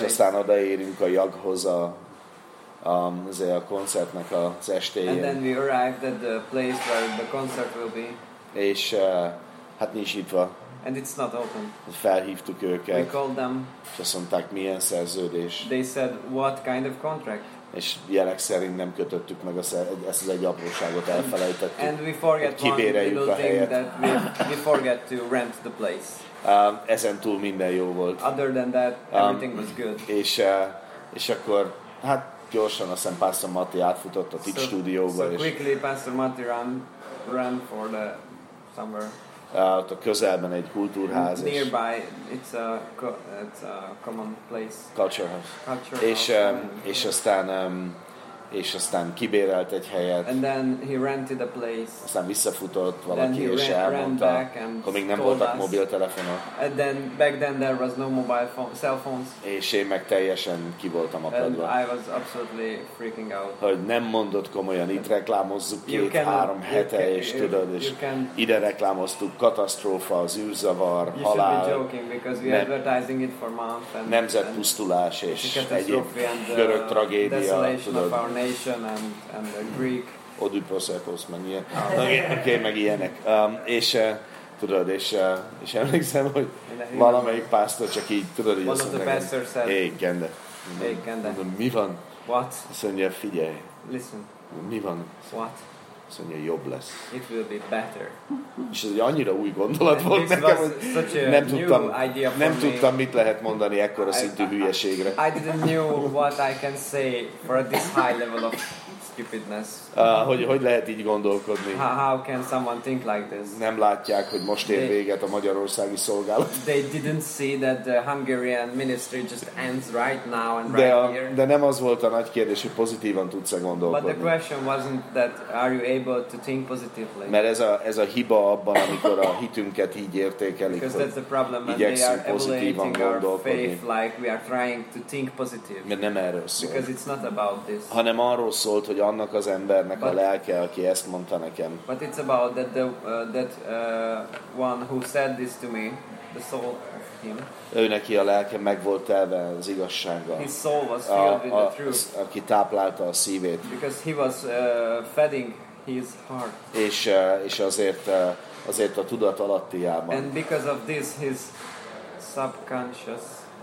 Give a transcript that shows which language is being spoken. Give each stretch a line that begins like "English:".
Hungarian: aztán odaérünk a Jaghoz a koncertnek az estéjén.
English: And then we arrived at the place where the concert will be.
Hungarian: És hát nincs nyitva.
English: And it's not open.
Hungarian: Felhívtuk őket.
English: We called them.
Hungarian: És azt mondták, milyen szerződés.
English: They said, what kind of contract?
Hungarian: És jelek szerint nem kötöttük meg ezt az egy apróságot, elfelejtettük.
English: And we forget one little thing that we forget to rent the place.
Hungarian: Ezen túl minden jó volt.
English: Other than that, everything was good.
Hungarian: És akkor, hát gyorsan aztán Pastor Matti átfutott a Teach stúdióba.
English: So quickly Pastor Matti ran for the somewhere.
Hungarian: Ott a közelben egy kultúrház.
English: Nearby, it's a common place. Culture house. Culture
Hungarian: és
English: house.
Hungarian: És aztán és aztán kibérelt egy helyet.
English: And then he rented a place.
Hungarian: Aztán visszafutott valaki és elmondta, akkor még nem voltak mobiltelefonok.
English: And then back then there was no mobile phone, cell phones.
Hungarian: És én meg teljesen kivoltam akadva.
English: I was absolutely freaking out.
Hungarian: Hogy nem mondott komolyan, itt reklámozzuk 2-3 hete, és tudod, és ide reklámoztuk, katasztrófa, az űrzavar, halál.
English: You should be joking, because we're advertising it for months. And
Hungarian: nemzetpusztulás és egyéb görög tragédia, tudod.
English: Our nation and the Greek.
Hungarian: Oedipus epos, meg ilyen. Oké, meg ilyenek. Tudod, és emlékszem, hogy valamelyik pásztor csak így, tudod, hogy azt mondja,
English: hey, Gende. Hey, Gende.
Hungarian: Mondom, mi van?
English: What?
Hungarian: Azt mondja, figyelj.
English: Listen.
Hungarian: Mi van?
English: What?
Hungarian: Azt mondja, jobb lesz.
English: It will be better.
Hungarian: És ez egy annyira új gondolat volt nekem, hogy nem tudtam, mit lehet mondani ekkora szintű hülyeségre.
English: I didn't know what I can say for this high level of stupidness.
Hungarian: Hogy lehet így gondolkodni?
English: How can someone think like this?
Hungarian: Nem látják, hogy most ér véget a magyarországi szolgálat.
English: They didn't see that the Hungarian ministry just ends right now and here.
Hungarian: De nem az volt a nagy kérdés, hogy pozitívan tudsz-e gondolkodni.
English: But the question wasn't that are you able to think positively.
Hungarian: Mert ez a hiba abban, amikor a hitünket így értékelik.
English: Because that's the problem, when they are evaluating our faith like we are trying to think positive.
Hungarian: Mert nem erről szólt.
English: Because it's not about this.
Hungarian: Hanem arról szólt, hogy annak az embernek a lelke, aki ezt mondta nekem.
English: But it's about that one who said this to me, the soul of him.
Hungarian: Ő neki a lelke meg volt telve az igazsággal.
English: His soul was filled with the truth.
Hungarian: Aki táplálta a szívét.
English: Because he was fedding his heart.
Hungarian: És azért a tudat alattiában.
English: And because of this, his subconscious.